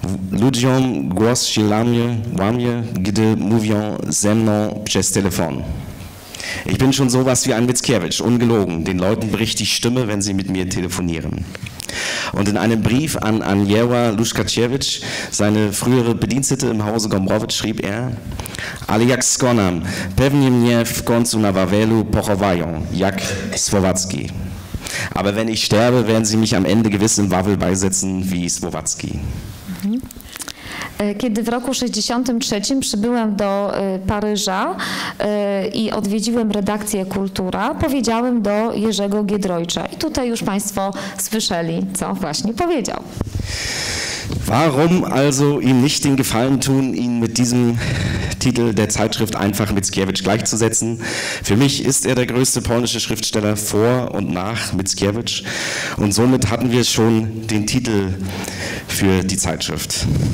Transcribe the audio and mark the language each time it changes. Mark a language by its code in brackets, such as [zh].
[pl] Ludziom głos się łamie, gdy mówią ze mną przez telefon. [de] Ich bin schon sowas wie ein Mickiewicz, ungelogen. Den Leuten bricht die Stimme, wenn sie mit mir telefonieren. Und in einem Brief an Anjewa Luszkaciewicz, seine frühere Bedienstete im Hause Gombrowicz, schrieb er: [pl] Ale jak skonam, pewnie mnie w końcu na Wawelu pochowają, jak Słowacki. [de] Aber wenn ich sterbe, werden sie mich am Ende gewiss im Wawel beisetzen wie Słowacki. [pl] Kiedy w roku 63 przybyłem do Paryża i odwiedziłem redakcję Kultura, powiedziałem do Jerzego Giedroycza. I tutaj już Państwo słyszeli, co właśnie powiedział. [de] Warum also ihm nicht den Gefallen tun, ihn mit diesem Titel der Zeitschrift einfach Mickiewicz gleichzusetzen? Für mich ist der größte polnische Schriftsteller vor und nach Mickiewicz. Und somit hatten wir schon den Titel für die Zeitschrift.